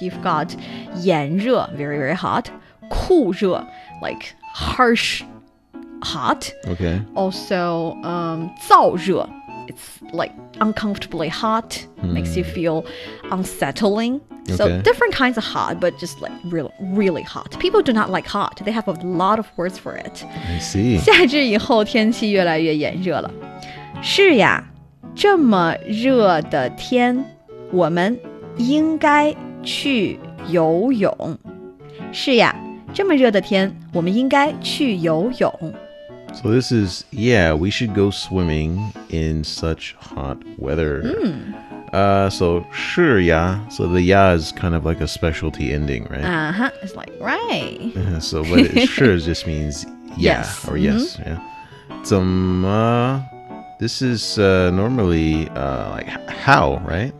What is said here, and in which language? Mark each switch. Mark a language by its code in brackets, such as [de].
[en] You've got 炎热, very, very hot. 酷热, like harsh hot. Okay. Also, 燥热, it's like uncomfortably hot, makes you feel unsettling. So, okay. different kinds of hot, but just like really, really hot. People do not like hot. They have a lot of words for it. I see. [zh] 夏至以后天气越来越炎热了。是呀，这么热的天，我们应该去游泳。是呀，这么热的天，我们应该去游泳。 [en] So this is, yeah, we should go swimming in such hot weather. So, 是呀, so the 呀 is kind of like a specialty ending, right? Uh-huh, it's like, right. So, but it sure just means yeah, yes. or yes. Mm-hmm. Yeah. 怎么, this is normally like how, right?